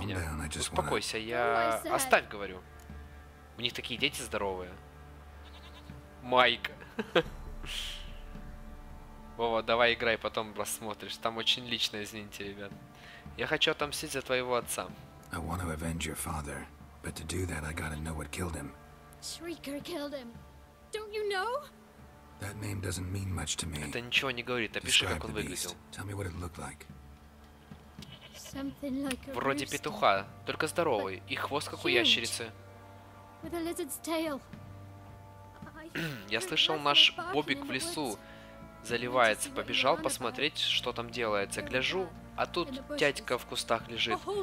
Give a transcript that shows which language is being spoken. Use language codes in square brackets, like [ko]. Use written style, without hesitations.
[ru] меня. [en] Down, wanna... [ru] Успокойся, я... Оставь, говорю. У них такие дети здоровые. Майк. Вова, давай играй, потом посмотришь. Там очень лично, извините, ребят. Я хочу отомстить за твоего отца. [en] I want to avenge your father. But to do that, I gotta know what killed him. Shrieker killed him. Don't you know? That name doesn't mean much to me. [ru] Это ничего не говорит. Опиши, как он выглядел. [en] Tell me what it looked like. Something like a rooster. [ru] Вроде петуха, только здоровый, и хвост как у ящерицы. [en] With a lizard's tail. [ru] Я слышал, наш Бобик в лесу заливается. Побежал посмотреть, что там делается. Гляжу. А тут дядька в кустах лежит.